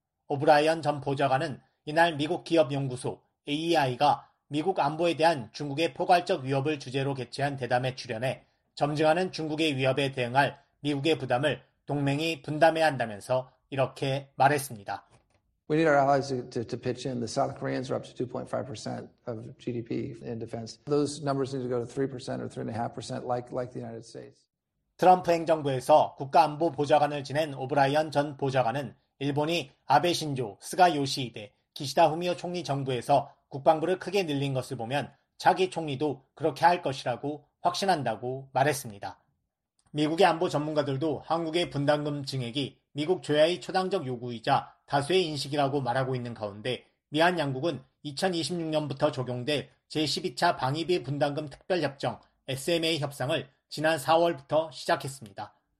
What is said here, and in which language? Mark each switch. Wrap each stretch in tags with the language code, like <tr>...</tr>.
<ko>오브라이언 전 보좌관은 이날 미국 기업연구소 AEI가 미국 안보에 대한 중국의 포괄적 위협을 주제로 개최한 대담에 출연해 점증하는 중국의 위협에 대응할 미국의 부담을 동맹이 분담해야 한다면서 이렇게 말했습니다.</ko> <en>We need our allies to pitch in. The South Koreans are up to 2.5% of GDP in defense. Those numbers need to go to 3% or 3.5% like the United States.</en> <ko>트럼프 행정부에서 국가안보 보좌관을 지낸 오브라이언 전 보좌관은 일본이 아베 신조, 스가 요시히데, 기시다 후미오 총리 정부에서 국방부를 크게 늘린 것을 보면 차기 총리도 그렇게 할 것이라고 확신한다고 말했습니다. 미국의 안보 전문가들도 한국의 분담금 증액이 미국 조야의 초당적 요구이자 다수의 인식이라고 말하고 있는 가운데 미한 양국은 2026년부터 적용될 제12차 방위비 분담금 특별협정 SMA 협상을 지난 4월부터 시작했습니다.</ko>